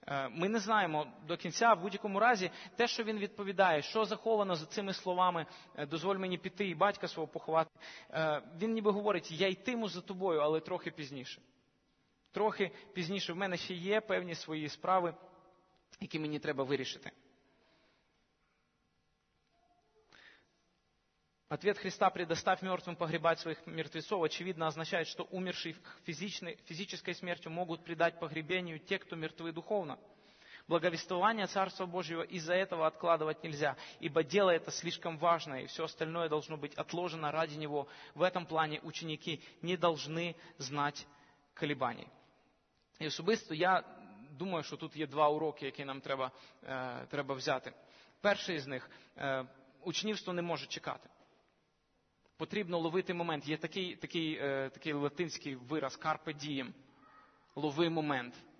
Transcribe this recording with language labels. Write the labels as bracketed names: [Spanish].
[Ukrainian] Ми не знаємо до кінця, в будь-якому разі, те, що він відповідає, що заховано за цими словами, дозволь мені піти і батька свого поховати, він ніби говорить, я йтиму за тобою, але трохи пізніше. Трохи пізніше в мене ще є певні свої справи, які мені треба вирішити. [Russian] Ответ Христа «Предоставь мертвым погребать своих мертвецов» очевидно означает, что умерший физической смертью могут предать погребению те, кто мертвы духовно. Благовествование Царства Божьего из-за этого откладывать нельзя, ибо дело это слишком важное, и все остальное должно быть отложено ради него. В этом плане ученики не должны знать колебаний. [Ukrainian] І особисто я думаю, що тут є два уроки, які нам треба взяти. Перший з них – учнівство не може чекати. Потрібно ловити момент. Є такий латинський вираз – «carpe diem» – «лови момент».